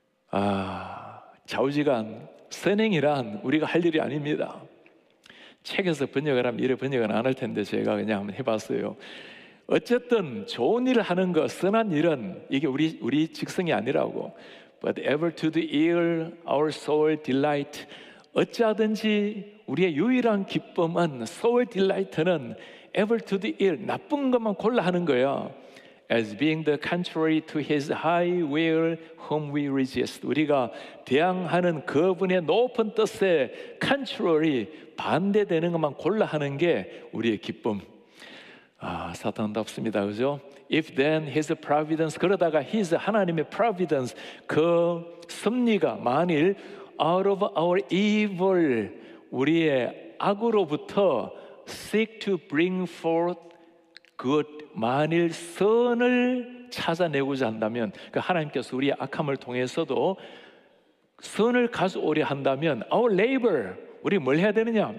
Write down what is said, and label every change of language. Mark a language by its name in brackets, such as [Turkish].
[Korean] 아, 좌우지간 선행이란 우리가 할 일이 아닙니다. 책에서 번역을 하면 이래 번역은 안 할 텐데 제가 그냥 한번 해봤어요. 어쨌든 좋은 일을 하는 것, 선한 일은 이게 우리 직성이 아니라고. [English] But ever to the ill, our soul delight. [Korean] 어찌하든지 우리의 유일한 기쁨은 [English] soul delight [Korean] 는 [English] ever to the ill, [Korean] 나쁜 것만 골라 하는 거야. [English] As being the contrary to his high will whom we resist. [Korean] 우리가 대항하는 그분의 높은 뜻에 contrary, 반대되는 것만 골라 하는 게 우리의 기쁨. 아, 사탄답습니다. 그죠? [English] If then his providence, [Korean] 그러다가 his 하나님의 providence, 그 섭리가 만일 [English] out of our evil, [Korean] 우리의 악으로부터 [English] seek to bring forth good, [Korean] 만일 선을 찾아내고자 한다면, 그 하나님께서 우리의 악함을 통해서도 선을 가져오려 한다면 [English] our labor, [Korean] 우리 뭘 해야 되느냐?